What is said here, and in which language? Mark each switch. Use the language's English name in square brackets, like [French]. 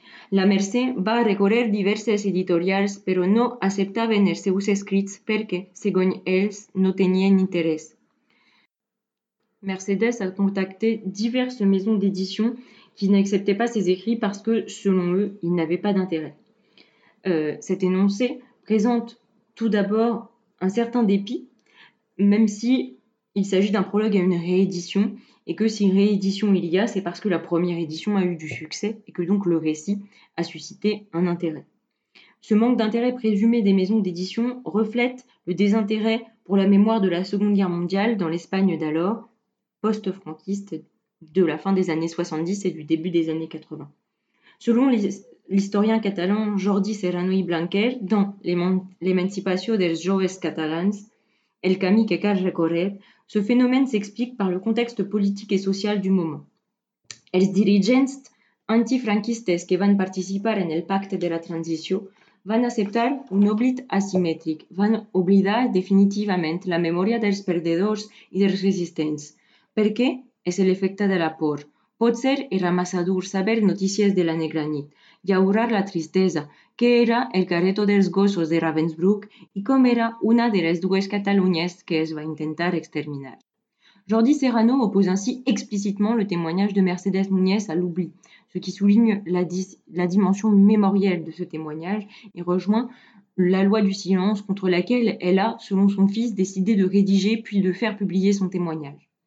[Catalan] La Merced va recorrer diverses editoriales, [Spanish] pero no aceptaban en sus escritos porque, según ellos, no tenían interés. [French] Mercedes a contacté diverses maisons d'édition qui n'acceptaient pas ses écrits parce que, selon eux, ils n'avaient pas d'intérêt. Cet énoncé présente tout d'abord un certain dépit, même si il s'agit d'un prologue à une réédition, et que si réédition il y a, c'est parce que la première édition a eu du succès et que donc le récit a suscité un intérêt. Ce manque d'intérêt présumé des maisons d'édition reflète le désintérêt pour la mémoire de la Seconde Guerre mondiale dans l'Espagne d'alors, post-franquiste de la fin des années 70 et du début des années 80. Selon l'historien catalan Jordi Serrano y Blanquer, dans l'Emancipació dels Joves Catalans, El camí que cal recorrer, ce phénomène s'explique par le contexte politique et social du moment. [Catalan] Els dirigents antifranquistes que van participar en el pacte de la transició van acceptar un oblit asimètric, van oblidar definitivament la memòria dels perdedors i dels resistents. Per què? És l'efecte de la por. Pot ser, era massa dur saber notícies de la negra nit, llaurar la tristesa, què era el Careto dels Gossos de Ravensbrück i com era una de les 2 Catalunyes que es va intentar exterminar. [French] Jordi Serrano oppose ainsi explicitement le témoignage de Mercedes Núñez à l'oubli, ce qui souligne la dimension mémorielle de ce témoignage et rejoint la loi du silence contre laquelle elle a, selon son fils, décidé de rédiger puis de faire publier son témoignage.